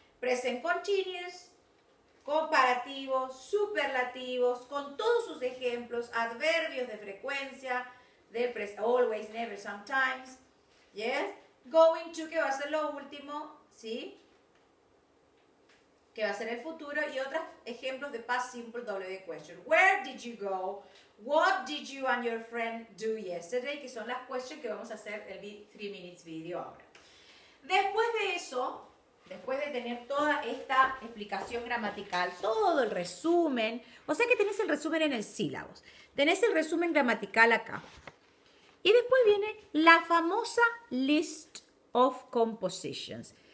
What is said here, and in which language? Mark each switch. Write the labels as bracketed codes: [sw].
[es] Present continuous, comparativos, superlativos, con todos sus ejemplos, adverbios de frecuencia, de always, never, sometimes, ¿yes? Going to, que va a ser lo último, ¿sí? Que va a ser el futuro, y otros ejemplos de past simple WH question. [en] Where did you go? What did you and your friend do yesterday? [es] Que son las questions que vamos a hacer el 3 minutes video ahora. Después de eso, después de tener toda esta explicación gramatical, todo el resumen, o sea que tenés el resumen en el sílabos, tenés el resumen gramatical acá. Y después viene la famosa list of compositions.